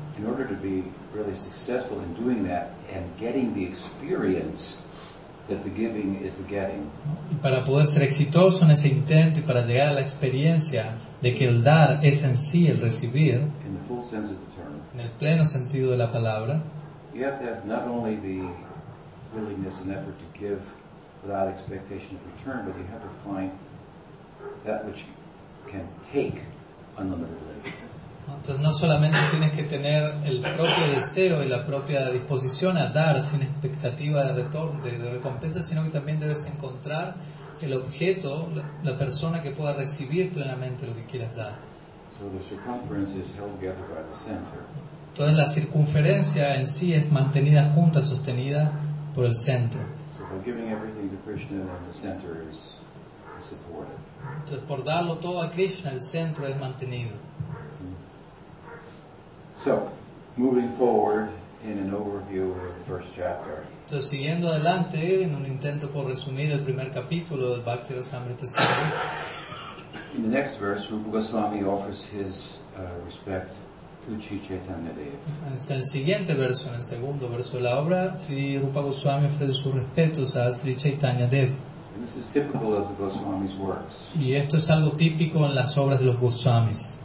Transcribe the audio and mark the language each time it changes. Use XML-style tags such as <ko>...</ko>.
<en>in order to be really successful in doing that and getting the experience that the giving is the getting,</en> <es>y para poder ser exitoso en ese intento y para llegar a la experiencia de que el dar es en sí el recibir,</es> <en>in the full sense of the term,</en> <es>en el pleno sentido de la palabra,</es> <en>you have to have not only the willingness and effort to give without expectation of return, but you have to find that which can take unlimited labor.</en> <es>Entonces no solamente tienes que tener el propio deseo y la propia disposición a dar sin expectativa de retorno, de recompensa, sino que también debes encontrar el objeto, la persona que pueda recibir plenamente lo que quieras dar.</es> <en>So the circumference is held together by the center.</en> <es>Entonces la circunferencia en sí es mantenida junta, sostenida por el centro.</es> <en>So by giving everything to Krishna, the center is supported.</en> <es>Entonces por darlo todo a Krishna, el centro es mantenido.</es> <en>So, moving forward in an overview of the first chapter.</en> <es>Entonces siguiendo adelante en un intento por resumir el primer capítulo del Bhakti-rasamrita-sindhu.</es> <en>In the next verse, Rupa Goswami offers his respect to Sri Chaitanya Dev.</en> <es>En el siguiente verso, en el segundo verso de la obra, Sri Rupa Goswami ofrece sus respetos a Sri Chaitanya Dev.</es> <en>And this is typical of the Goswami's works.</en> <es>Y esto es algo típico en las obras de los Goswamis.</es>